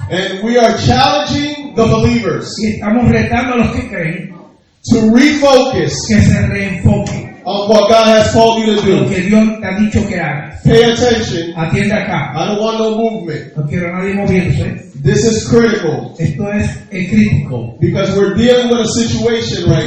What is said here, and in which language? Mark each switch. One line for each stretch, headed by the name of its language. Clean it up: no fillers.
English: And we are challenging the believers.
Spanish: Y estamos retando a los que creen.
English: To refocus.
Spanish: Que se reenfoquen.
English: On what God has called you to do.
Spanish: Lo que Dios te ha dicho que haga.
English: Pay attention.
Spanish: Atiende acá.
English: I don't want no movement.
Spanish: No quiero nadie moviéndose.
English: This is critical.
Spanish: Esto es crítico.
English: Because we're dealing with a situation right